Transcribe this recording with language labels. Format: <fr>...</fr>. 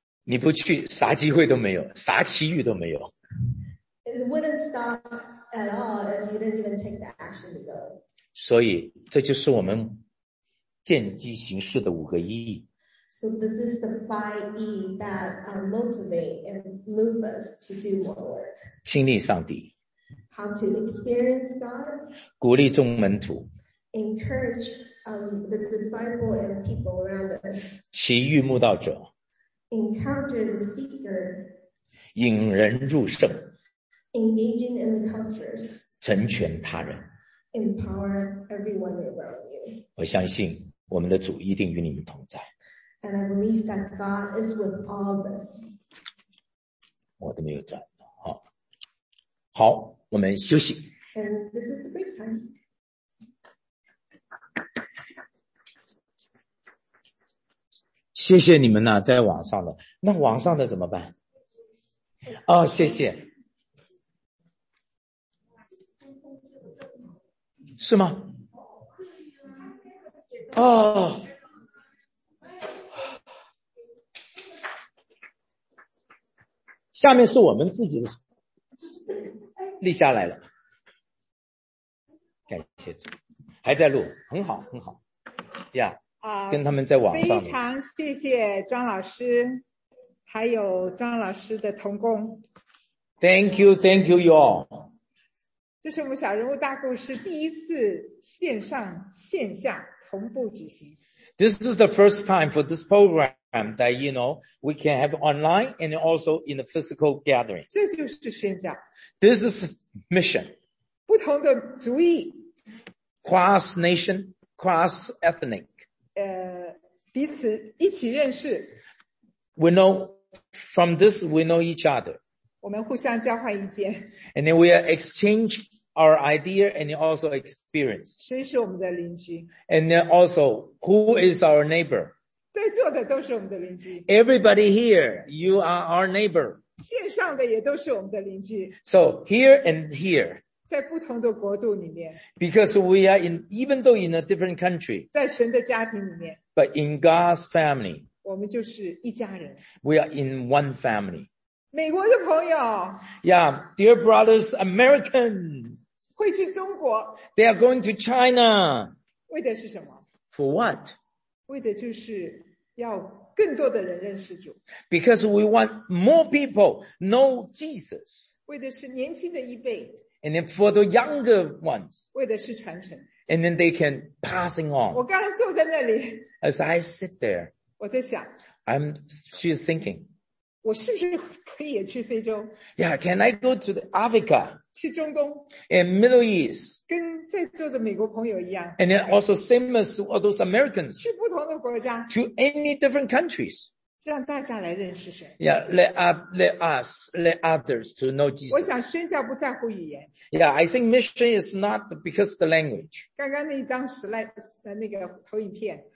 <zh>你不去，啥机会都没有，啥奇遇都没有。</zh> <en>It wouldn't stop at all if you didn't even take the action to go.</en> <zh>所以，这就是我们见机行事的五个意义。</zh> <en>So this is the 5E that motivate and move us to do more work.</en> <zh>亲历上帝。</zh> <en>How to experience God.</en> <zh>鼓励众门徒。</zh> <en>Encourage the disciple and people around us.</en> <zh>奇遇慕道者。</zh> <en>Encounter the seeker.</en> <zh>引人入胜。</zh> <en>Engaging in the cultures.</en> <zh>成全他人。</zh> <en>Empower everyone around you.</en> <zh>我相信我们的主一定与你们同在。</zh> <en>And I believe that God is with all of us.</en> <zh>我都没有转。好。好，我们休息。</zh> <en>And this is the break time.</en> <zh>谢谢你们呢，在网上的，那网上的怎么办？哦，谢谢，是吗？</zh> <en>Oh. Thank you, thank you, you all.</en> <zh>这是我们小人物大故事第一次线上线下同步举行。</zh> <en>This is the first time for this program that, you know, we can have online and also in the physical gathering.</en> <zh>这就是宣教。</zh> <en>This is mission.</en> <zh>不同的族裔。</zh> <en>Cross nation, cross ethnic.</en> <zh>彼此一起认识。</zh> <en>We know, from this, we know each other.</en> <zh>我们互相交换意见。</zh> <en>And then we are exchange our idea and also experience.</en> <zh>谁是我们的邻居?</zh> <en>And then also, who is our neighbor?</en> <zh>在座的都是我们的邻居。</zh> <en>Everybody here, you are our neighbor.</en> <zh>线上的也都是我们的邻居。</zh> <en>So here and here.</en> <zh>在不同的国度里面。</zh> <en>Because we are in, even though in a different country.</en> <zh>在神的家庭里面。</zh> <en>But in God's family.</en> <zh>我们就是一家人。</zh> <en>We are in one family.</en> <zh>美国的朋友,</zh> <en>yeah, dear brothers, Americans.</en> <zh>会去中国,</zh> <en>they are going to China.</en> <zh>为的是什么?</zh> <en>For what?</en> <zh>为的就是要更多的人认识主。</zh> <en>Because we want more people know Jesus.</en> <zh>为的是年轻的一辈,</zh> <en>and then for the younger ones.</en> <zh>为的是传承,</zh> <en>and then they can passing on.</en> <zh>我刚刚坐在那里,</zh> <en>as I sit there,</en> <zh>我在想,</zh> <en>I'm, she's thinking.</en> <zh>我是不是可以也去非洲?</zh> <en>Yeah, can I go to Africa?</en> <zh>去中东?</zh> <en>And Middle East?</en> <zh>跟在座的美国朋友一样?</zh> <en>And then also same as all those Americans?</en> <zh>去不同的国家?</zh> <en>To any different countries?</en> <zh>让大家来认识神?</zh> <en>Yeah, let others to know Jesus.</en> <zh>我想宣教不在乎语言。</zh> <en>Yeah, I think mission is not because of the language.</en> <zh>刚刚那一张slide的那个投影片。</zh>